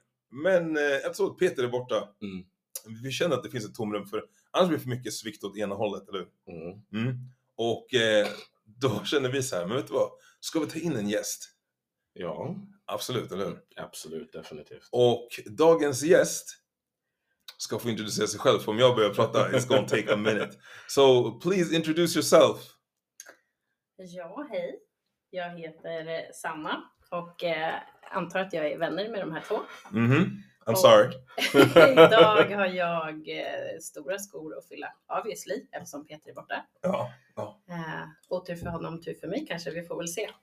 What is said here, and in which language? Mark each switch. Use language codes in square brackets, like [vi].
[sv] Men eftersom att Peter är borta, vi känner att det finns ett tomrum, för annars blir det för mycket svikt åt ena hållet, eller hur? Mm. Mm. Och då känner vi så här, men vet du vad, ska vi ta in en gäst? Ja. Absolut, eller hur? Absolut, definitivt. Och dagens gäst ska få introducera sig själv, för om jag börjar prata, [en] it's gonna take a minute. So, please introduce yourself. [sv] Ja, hej. Jag heter Sanna. Och antar att jag är vänner med de här två. [en] Mm-hmm. I'm sorry. [sv] Idag har jag stora skor att fylla. Obviously, eftersom Peter är borta. Ja. Otur för honom, tur för mig kanske. Vi får väl se.